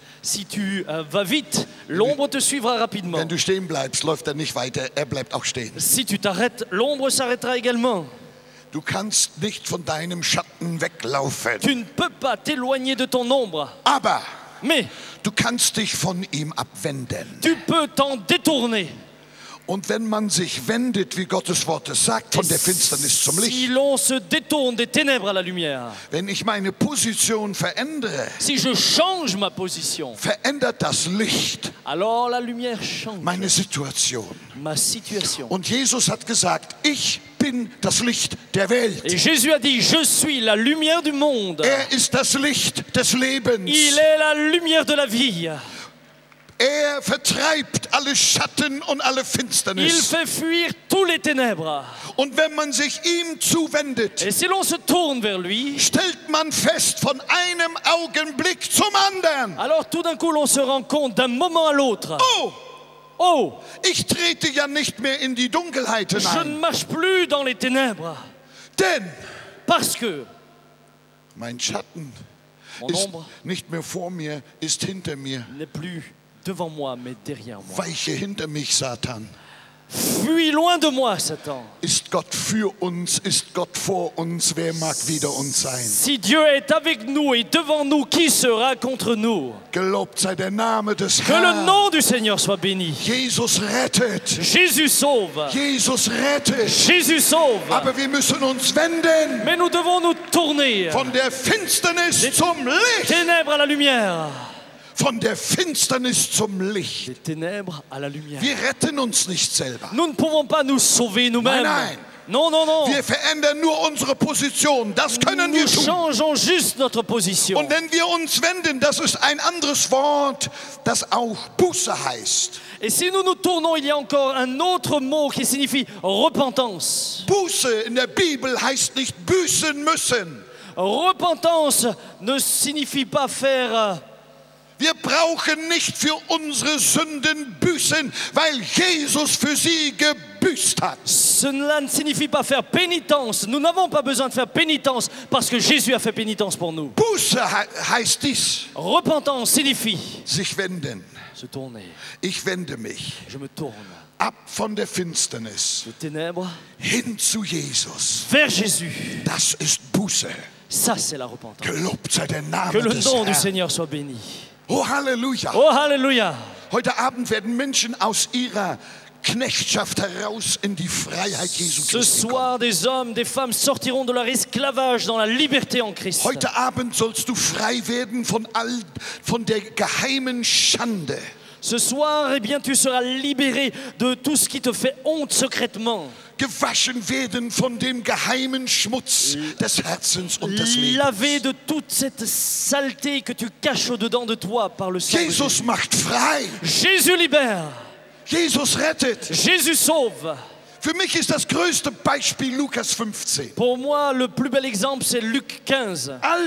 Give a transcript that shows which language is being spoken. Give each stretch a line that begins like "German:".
French: Si tu vas vite, l'ombre te suivra rapidement.
German: Wenn du stehen bleibst, läuft er nicht weiter, er bleibt auch stehen.
French: Si tu t'arrêtes, l'ombre s'arrêtera également.
German: Du kannst nicht von deinem Schatten weglaufen.
French: Tu ne peux pas t'éloigner de ton ombre.
German: Aber
French: mais
German: du kannst dich von ihm abwenden.
French: Tu peux t'en détourner.
German: Und wenn man sich wendet, wie Gottes Wort es sagt, von der Finsternis zum Licht.
French: Si l'on se détourne des ténèbres à la lumière.
German: Wenn ich meine Position verändere.
French: Si je change ma position.
German: Verändert das Licht.
French: Alors la lumière change.
German: Meine Situation.
French: Ma situation.
German: Und Jesus hat gesagt, ich bin das Licht der Welt.
French: Et Jésus a dit, je suis la lumière du monde.
German: Er ist das Licht des Lebens.
French: Il est la lumière de la vie.
German: Er vertreibt alle Schatten und alle Finsternis.
French: Il fait fuir tous les ténèbres.
German: Und wenn man sich ihm zuwendet,
French: et si l'on se tourne vers lui,
German: stellt man fest, von einem Augenblick zum anderen.
French: Alors tout d'un coup l'on se rend compte d'un moment à l'autre.
German: Oh, ich trete ja nicht mehr in die Dunkelheit hinein.
French: Je ne marche plus dans les ténèbres.
German: Denn
French: parce que
German: mein Schatten ist nicht mehr vor mir, ist hinter mir.
French: N'est plus devant moi, mais derrière moi.
German: Weiche hinter mich, Satan.
French: Fuis loin de moi, Satan.
German: Ist Gott für uns, ist Gott vor uns, wer mag wider uns sein?
French: Si Dieu est avec nous et devant nous, qui sera contre nous?
German: Gelobt sei der Name des
French: que
German: Herrn.
French: Que le nom du Seigneur soit béni.
German: Jesus rettet.
French: Jésus sauve.
German: Jesus rettet.
French: Jésus sauve.
German: Aber wir müssen uns wenden.
French: Mais nous devons nous tourner.
German: Von der Finsternis zum Licht.
French: Ténèbres à la lumière.
German: Von der Finsternis zum Licht. Wir retten uns nicht selber.
French: Nous ne pouvons pas nous sauver nous-mêmes.
German: Nein, nein.
French: Non, non, non.
German: Wir verändern nur unsere Position. Das können
French: nous
German: wir tun.
French: Changeons juste notre position.
German: Und wenn wir uns wenden, das ist ein anderes Wort, das auch Buße heißt.
French: Et si nous nous tournons, il y a encore un autre mot qui signifie repentance.
German: Buße in der Bibel heißt nicht büßen müssen.
French: Repentance ne signifie pas faire.
German: Wir brauchen nicht für unsere Sünden büßen, weil Jesus für sie gebüßt hat.
French: Cela ne signifie pas faire pénitence. Nous n'avons pas besoin de faire pénitence parce que Jésus a fait pénitence pour nous.
German: Buße heißt dies.
French: Repentance signifie
German: sich wenden.
French: Se tourner.
German: Ich wende mich.
French: Je me tourne.
German: Ab von der Finsternis.
French: De ténèbres.
German: Hin zu Jesus.
French: Vers Jésus.
German: Das ist Buße.
French: Ça c'est la repentance.
German: Gelobt sei der Name
French: que le nom
German: des Herrn.
French: Du Seigneur soit béni.
German: Oh Halleluja.
French: Oh Halleluja.
German: Heute Abend werden Menschen aus ihrer Knechtschaft heraus in die Freiheit Jesu Christi kommen.
French: Ce soir des hommes, des femmes sortiront de leur esclavage dans la liberté en Christ.
German: Heute Abend sollst du frei werden von der geheimen Schande.
French: Ce soir, eh bien, tu seras libéré de tout ce qui te fait honte secrètement.
German: Gewaschen werden von dem geheimen Schmutz des Herzens und des Lebens.
French: Lavé de toute cette saleté que tu caches au-dedans de toi par le sang.
German: Jesus macht frei.
French: Jésus libère.
German: Jesus rettet.
French: Jésus sauve.
German: Für mich ist das größte Beispiel Lukas 15.
French: Pour moi, le plus bel exemple, c'est Luc 15.